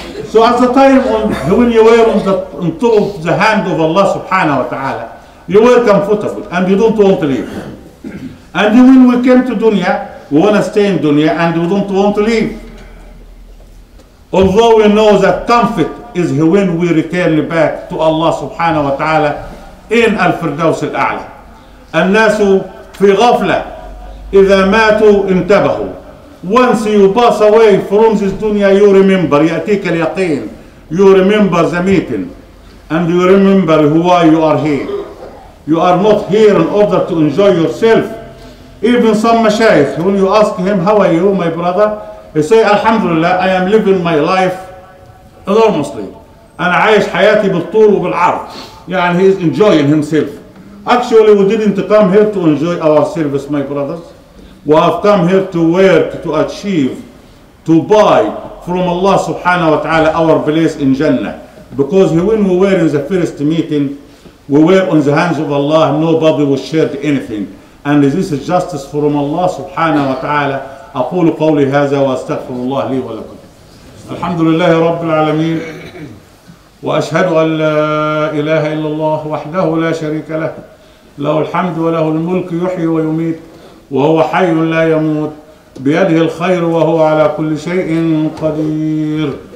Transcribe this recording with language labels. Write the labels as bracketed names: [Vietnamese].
[English] So at the time when you were on top of the hand of Allah subhanahu wa ta'ala, you were comfortable and you don't want to leave. And when we came to dunya, we want to stay in dunya and we don't want to leave. Although we know that comfort is when we return back to Allah subhanahu wa ta'ala in Al-Firdaus Al-A'la. [Arabic] الناس في غفلة إذا ماتوا انتبهوا. [English] Once you pass away from this dunya, you remember, [Arabic] يأتيك اليقين. [English] You remember the meeting. And you remember why you are here. You are not here in order to enjoy yourself. Even some mashayikh, when you ask him, how are you, my brother? He say, Alhamdulillah, I am living my life enormously. [Arabic] أنا عايش حياتي بالطول وبالعرض. [English] يعني he is enjoying himself. Actually, we didn't come here to enjoy ourselves, my brothers. We have come here to work, to achieve, to buy from Allah subhanahu wa ta'ala our place in Jannah. Because when we were in the first meeting, we were on the hands of Allah, nobody was shared anything. And this is justice from Allah subhanahu wa ta'ala. [Arabic] أقول قولي هذا وأستغفر الله لي ولكم. الحمد لله رب العالمين. وأشهد أن لا إله إلا الله وحده لا شريك له له الحمد وله الملك يحيي ويميت وهو حي لا يموت بيده الخير وهو على كل شيء قدير